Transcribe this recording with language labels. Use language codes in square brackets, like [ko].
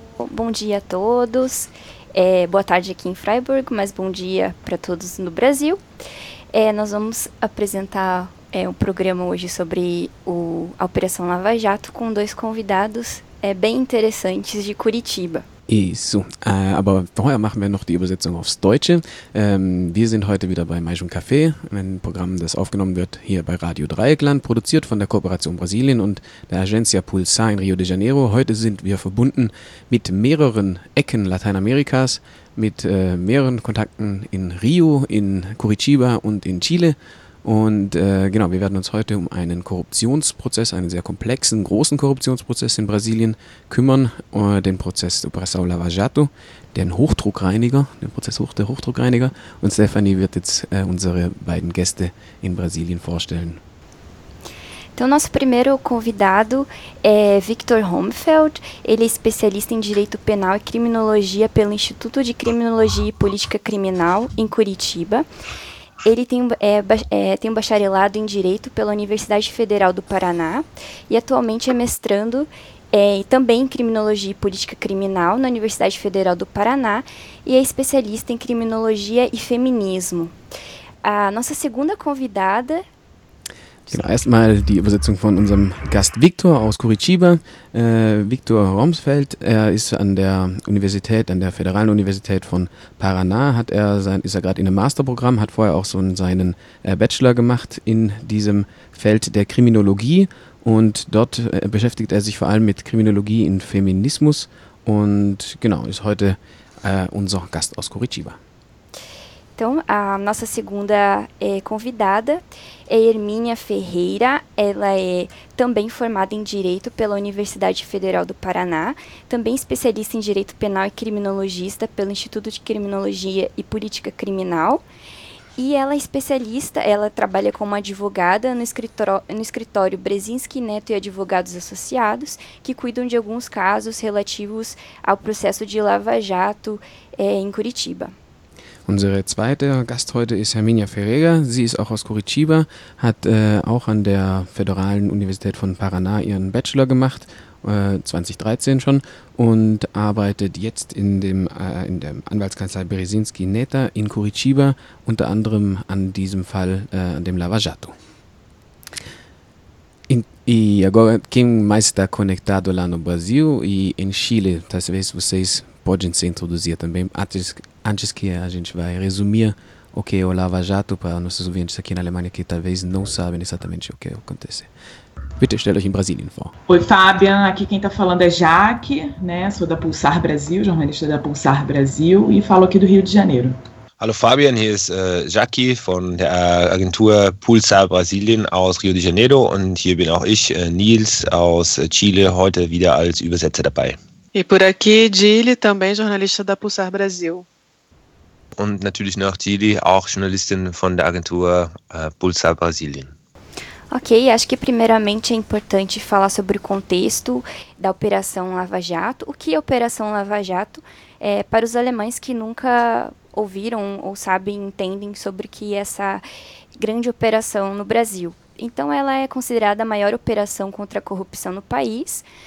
[pt] Bom dia a todos, boa tarde aqui em Freiburg, mas bom dia para todos no Brasil. Nós vamos apresentar um programa hoje sobre a Operação Lava Jato com dois convidados bem interessantes de Curitiba. [de] Isso, aber vorher machen wir noch die Übersetzung aufs Deutsche. Wir sind heute wieder bei Mais um Café, ein Programm, das aufgenommen wird hier bei Radio Dreieckland, produziert von der Kooperation Brasilien und der Agencia Pulsar in Rio de Janeiro. Heute sind wir verbunden mit mehreren Ecken Lateinamerikas, mit mehreren Kontakten in Rio, in Curitiba und in Chile. Und genau, wir werden uns heute um einen Korruptionsprozess, einen sehr komplexen, großen Korruptionsprozess in Brasilien kümmern, den Prozess Operação Lava Jato, den Prozess der Hochdruckreiniger. Und Stephanie wird jetzt unsere beiden Gäste in Brasilien vorstellen. [pt] Então, nosso primeiro convidado é Victor Homfeld. Ele é especialista em Direito Penal e Criminologia pelo Instituto de Criminologia e Política Criminal em Curitiba. Ele tem um bacharelado em Direito pela Universidade Federal do Paraná e atualmente é mestrando também em Criminologia e Política Criminal na Universidade Federal do Paraná e é especialista em Criminologia e Feminismo. A nossa segunda convidada... [de] Genau, erstmal die Übersetzung von unserem Gast Victor aus Curitiba. Victor Homfeld, er ist an der Universität, an der Federalen Universität von Paraná, ist er gerade in einem Masterprogramm, hat vorher auch seinen Bachelor gemacht in diesem Feld der Kriminologie und dort beschäftigt er sich vor allem mit Kriminologie in Feminismus und genau, ist heute unser Gast aus Curitiba. [pt] Então, a nossa segunda convidada é Hermínia Ferreira. Ela é também formada em Direito pela Universidade Federal do Paraná, também especialista em Direito Penal e Criminologista pelo Instituto de Criminologia e Política Criminal. E ela é especialista, ela trabalha como advogada no escritório Brezinski Neto e Advogados Associados, que cuidam de alguns casos relativos ao processo de Lava Jato em Curitiba. [de] Unsere zweite Gast heute ist Hermínia Ferreira. Sie ist auch aus Curitiba, hat auch an der Federalen Universität von Paraná ihren Bachelor gemacht, 2013 schon, und arbeitet jetzt in der Anwaltskanzlei Brezinski Neto in Curitiba, unter anderem an diesem Fall, an dem Lava Jato. [pt] E agora, quem mais está conectado lá no Brasil e em Chile, talvez vocês podem se introduzir também, antes que a gente vai resumir o que é o Lava Jato para nossos ouvintes aqui na Alemanha que talvez não sabem exatamente o que acontece. [de] Bitte, stell euch in Brasilien vor. [pt] Oi, Fabian. Aqui quem está falando é Jaque, né? Sou da Pulsar Brasil, jornalista da Pulsar Brasil, e falo aqui do Rio de Janeiro. [de] Hallo Fabian, hier ist Jackie von der Agentur Pulsar Brasilien aus Rio de Janeiro und hier bin auch ich, Nils aus Chile, heute wieder als Übersetzer dabei. [pt] E por aqui, Gili, também jornalista da Pulsar Brasil. [de] Und natürlich noch Gili, auch Journalistin von der Agentur Pulsar Brasilien. [pt] Ok, acho que primeiramente é importante falar sobre o contexto da Operação Lava Jato. O que é a Operação Lava Jato é, para os alemães que nunca ouviram ou sabem, entendem sobre o que é essa grande operação no Brasil? Então, ela é considerada a maior operação contra a corrupção no país.